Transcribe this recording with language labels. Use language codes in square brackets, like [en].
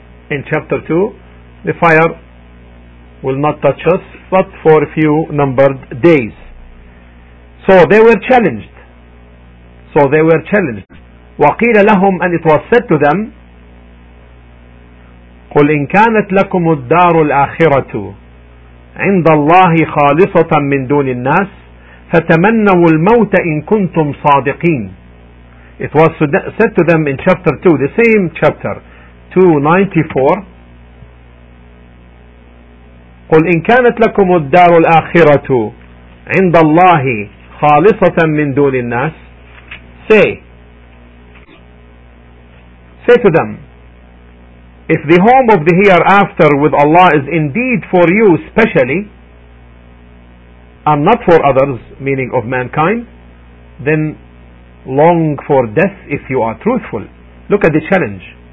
[en] In chapter 2, the fire will not touch us but for a few numbered days. So they were challenged. [ar] وقيل لهم, [en] and it was said to them, [ar] قل إن كانت لكم الدار الآخرة عند الله خالصة من دون الناس فتمنوا الموت إن كنتم صادقين. [en] It was said to them in chapter 2, the same chapter 294, [ar] قل إن كانت لكم الدار الآخرة عند الله خالصة من دون الناس. [en] Say to them, if the home of the hereafter with Allah is indeed for you specially and not for others, meaning of mankind, then long for death if you are truthful. Look at the challenge.